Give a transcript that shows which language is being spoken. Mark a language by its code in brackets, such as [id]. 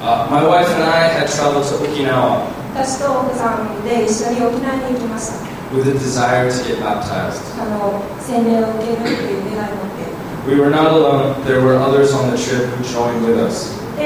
[en] My wife and I had traveled to Okinawa. [ja] 私と奥さんで一緒に沖縄に行きました。 [en] With a desire to get baptized. [ja] 洗礼を受けるという願いを持って。 [en] We were not alone. There were others on the trip who joined with us.